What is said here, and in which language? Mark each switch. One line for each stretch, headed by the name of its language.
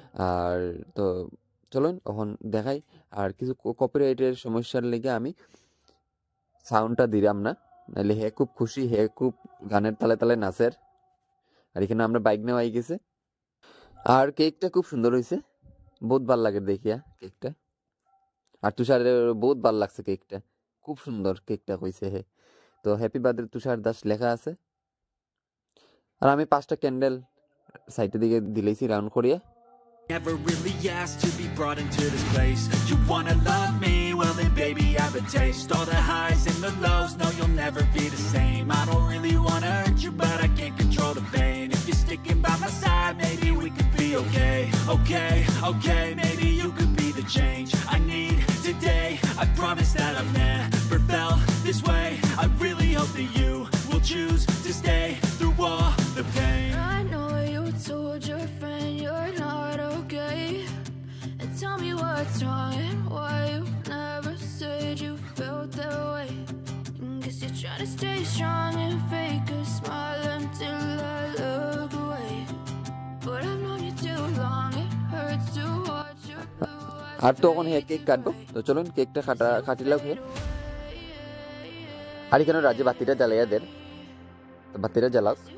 Bangla: আর তো চলুন এখন দেখাই, আর কিছু কপিরাইটের সমস্যার লেগে আমি সাউন্ডটা দিলাম না, নাহলে হে খুব খুশি, হে খুব গানের তালে তালে নাচের, আর এখানে আমরা বাইক নেওয়াই গেছে, আর কেকটা খুব সুন্দর হয়েছে, বহুত ভাল লাগে দেখিয়া কেকটা, আর তুষারের বহুত ভাল লাগছে কেকটা, খুব সুন্দর কেকটা হয়েছে হে। তো হ্যাপি বার্থডে তুষার দাস লেখা আছে, আর আমি 5টা ক্যান্ডেল সাইডের দিকে দিলেছি রাউন্ড করিয়া।
English: Never really asked to be brought into this place. You wanna love me? Well then baby I have a taste. All the highs and the lows, no you'll never be the same. I don't really wanna hurt you, but I can't control the pain. If you're sticking by my side, maybe we could be okay. Okay, okay, maybe you could be the change I need today. I promise that I've never felt this way. I really hope that you will choose to stay through all the pain. I know you told your friend you're not okay. And tell me what's wrong and why you never said you felt that way. And guess you're trying to stay strong and fake a smile until I look away. But I've known you too long, it hurts to watch your blue eyes. I've told you,
Bangla: cake কাটবো, তো চলুন কেকটা কাটি লাগবে। আর এখানে রাজ্যে বাতিটা জ্বালাইয়া দেন, তো বাতিটা জ্বালাও,